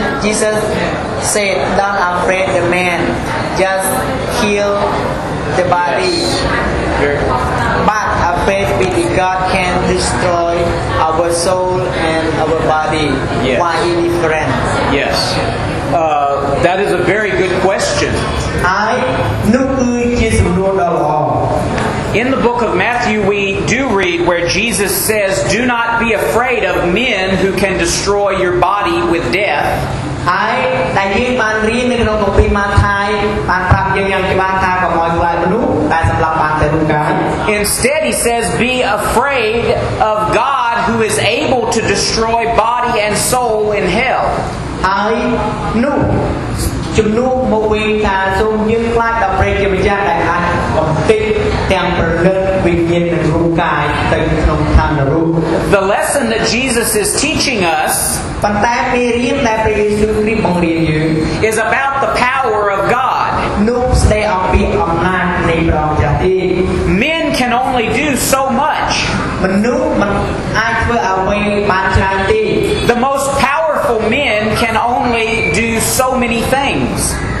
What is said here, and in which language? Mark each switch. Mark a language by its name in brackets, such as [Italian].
[English] Jesus said, don't afraid the man, just heal the body. Yes. But a faith be that God can destroy our soul and our body. Yes. Why is different? Yes. That is a very good question. In the book of Matthew, we do read where Jesus says, do not be afraid of men who can destroy your body with death. [Khmer] ហើយតែយើងបានរៀននៅក្នុងគម្ពីរម៉ាថាយបានប្រាប់យើងយ៉ាងច្បាស់ថាកុំឲ្យខ្លាចមនុស្សដែលសម្លាប់បានតែរូបកាយ [English] Instead he says be afraid of God who is able to destroy body and soul in hell [Khmer] ហើយនោះជំនួសមកវិញថាសូមយើងខ្លាចដល់ព្រះជាម្ចាស់ដែលអាចបំពេញទាំងព្រលឹងវិញ្ញាណនិងរូបកាយទៅក្នុងឋាននរក [English] The lesson that Jesus is teaching us [Khmer] ប៉ុន្តែមេរៀនដែលព្រះយេស៊ូវគ្រីស្ទបង្រៀនយើង [English] is about the power of God [Khmer] នោះស្ដីអំពីអំណាចនៃព្រះម្ចាស់ទី [English] Men can only only do so much. The most powerful men can only do so many things.